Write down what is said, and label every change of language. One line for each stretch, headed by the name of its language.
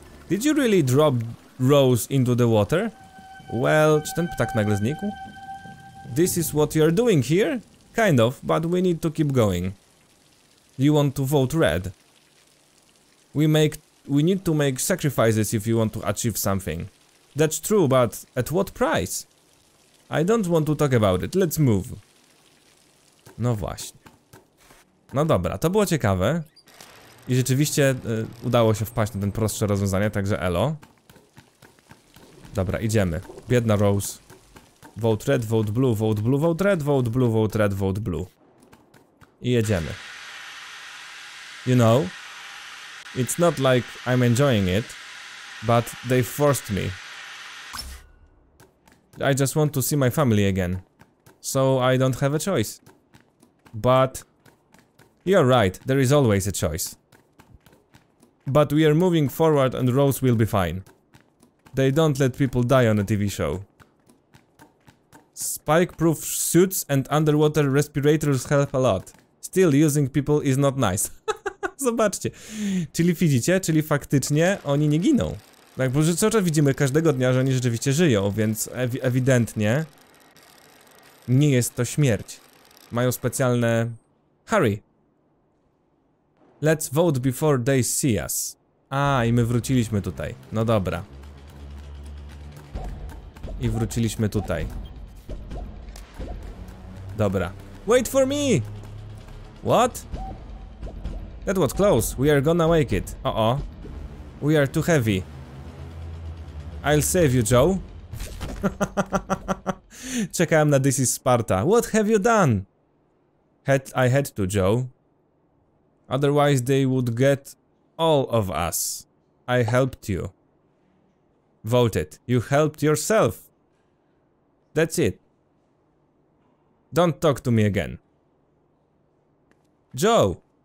English: Did you really drop Rose into the water?
Polish: Well, czy ten ptak nagle znikł?
English: This is what you're doing here? Kind of, but we need to keep going. You want to vote red? We need to make sacrifices if you want to achieve something. That's true, but at what price? I don't want to talk about it, let's move.
Polish: No właśnie. No dobra, to było ciekawe. I rzeczywiście udało się wpaść na ten prostsze rozwiązanie, także elo. Dobra, idziemy. Biedna Rose.
English: Vote red, vote blue, vote blue, vote red, vote blue, vote red, vote blue.
Polish: I jedziemy.
English: You know? It's not like I'm enjoying it, but they forced me. I just want to see my family again. So I don't have a choice. But... You're right, there is always a choice. But we are moving forward and Rose will be fine. They don't let people die on a TV show. Spike-proof suits and underwater respirators help a lot. Still, using people is not nice.
Polish: Zobaczcie. Czyli widzicie, czyli faktycznie oni nie giną. Tak, bo co czas widzimy każdego dnia, że oni rzeczywiście żyją, więc ewidentnie nie jest to śmierć. Mają specjalne... Harry!
English: Let's vote before they see us.
Polish: A, i my wróciliśmy tutaj. No dobra. i wróciliśmy tutaj.
English: Dobra. Wait for me! What? That was close. We are gonna make it. Uh-oh. We are too heavy. I'll save you, Joe.
Polish: Czekałem na
English: This is Sparta. What have you done? I had to, Joe. Otherwise they would get all of us. I helped you. Voted. You helped yourself. That's it. Don't talk to me again. Joe!